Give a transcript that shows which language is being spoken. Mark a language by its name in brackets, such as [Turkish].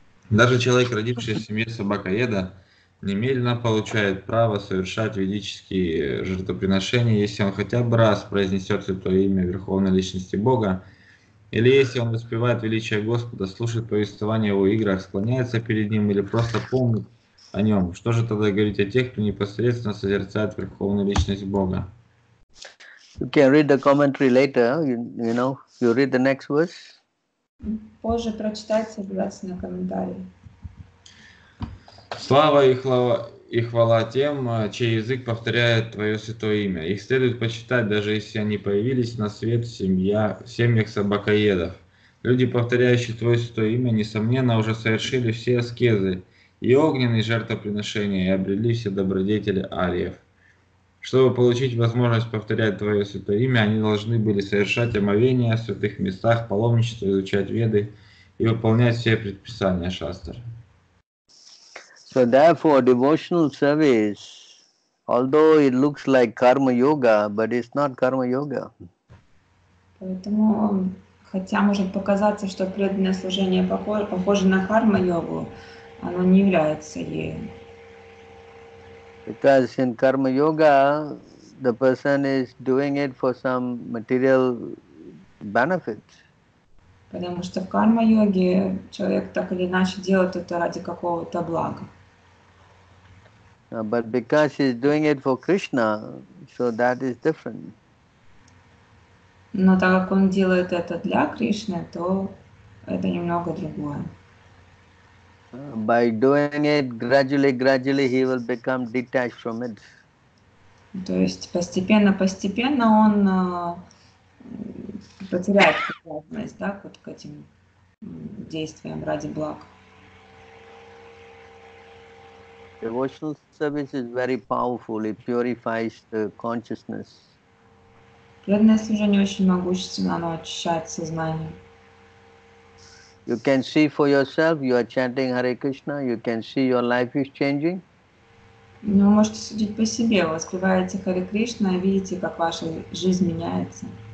[Russian] Даже человек, родившийся в семье собакоеда, немедленно получает право совершать ведические жертвоприношения, если он хотя бы раз произнесет святое имя Верховной Личности Бога, или если он воспевает величие Господа, слушает повествование о его играх, склоняется перед ним или просто помнит о нем. Что же тогда говорить о тех, кто непосредственно созерцает Верховную Личность Бога? [English] You can read the commentary later, you know, you read the next verse. [Russian] Позже прочитайте, согласно комментарии. Слава и хвала тем, чей язык повторяет Твое святое имя. Их следует почитать, даже если они появились на свет в семьях собакоедов. Люди, повторяющие Твое святое имя, несомненно, уже совершили все аскезы и огненные жертвоприношения, и обрели все добродетели ариев. Чтобы получить возможность повторять Твое святое имя, они должны были совершать омовение в святых местах, паломничество, изучать веды и выполнять все предписания шастр. [English] So therefore, devotional service, although it looks like karma yoga, but it's not karma yoga. [Russian] Поэтому, хотя может показаться, что преданное служение похоже на карма йогу, оно не является ею. [English] Because in karma yoga, the person is doing it for some material benefits. [Russian] Потому что в карма йоге человек так или иначе делает это ради какого-то блага. [English] But because he's doing it for Krishna, so that is different. [Russian] Но так как он делает это для Кришны, то это немного другое. [English] By doing it gradually, gradually he will become detached from it. [Russian] То есть постепенно, постепенно он потеряет способность, да, вот к этим действиям ради благ. [English] Devotional service is very powerful. It purifies the consciousness. [Russian] Преданное служение очень могущественно, оно очищает сознание. [English] You can see for yourself, you are chanting Hare Krishna, you can see your life is changing. [Russian] Вы можете судить по себе, вы воспеваете Харе Кришна и видите, как ваша жизнь меняется.